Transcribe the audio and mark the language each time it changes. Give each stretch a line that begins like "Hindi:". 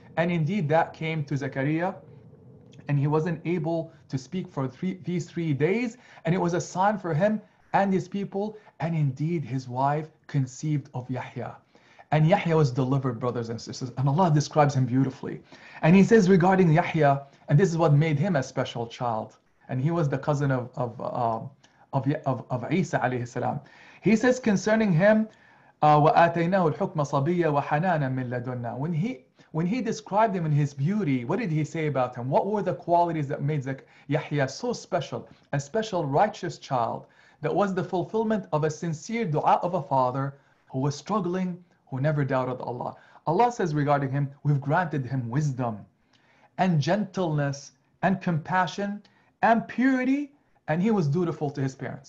English: And indeed that came to Zechariah, and he wasn't able to speak for these three days, and it was a sign for him and his people, and indeed his wife conceived of Yahya. And Yahya was delivered, brothers and sisters, and Allah describes him beautifully. And he says regarding Yahya, and this is what made him a special child, and he was the cousin of Isa alayhi salam.
Arabic: He says concerning him, وَآتَيْنَاهُ الْحُكْمَ صَبِيَّ وَحَنَانًا مِنْ لَدُنَّا.
English: When he described him in his beauty, what did he say about him? What were the qualities that made Yahya so special? A special righteous child that was the fulfillment of a sincere dua of a father who was struggling, who never doubted Allah. Allah says regarding him, we've granted him wisdom and gentleness and compassion and purity, and he was dutiful to his parents.